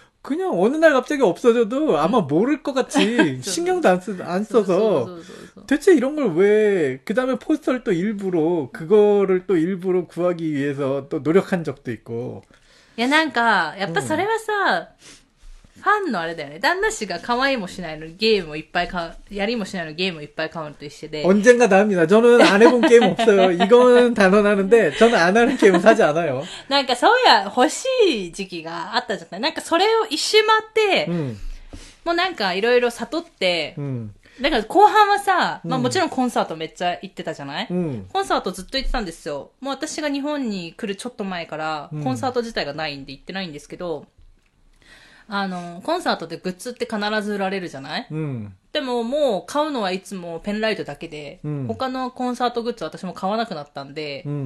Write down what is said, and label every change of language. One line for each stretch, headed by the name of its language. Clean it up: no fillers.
Korean: 그냥어느날갑자기없어져도아마모를것같이 신경도안써서대체이런걸왜그다음에포스터를또일부러그거를또일부러구하기위해서또노력한적도있고
Japanese: いや、なんか、やっぱそれはさ、ファンのあれだよね。旦那氏が可愛いもしないのゲームをいっぱい買う、やりもしないのゲームをいっぱい買うのと一緒で。
Korean: 언젠가나합니다。 저는안해본ゲーム없어요。 이건단언하는데、저는안하는ゲーム사지않아요。
Japanese: なんかそういや、欲しい時期があったじゃない。なんかそれを一瞬待って、もうなんかいろいろ悟って、なんか後半はさ、まあもちろんコンサートめっちゃ行ってたじゃない、コンサートずっと行ってたんですよ。もう私が日本に来るちょっと前から、コンサート自体がないんで行ってないんですけど、あの、コンサートってグッズって必ず売られるじゃない、でももう買うのはいつもペンライトだけで、他のコンサートグッズ私も買わなくなったんで、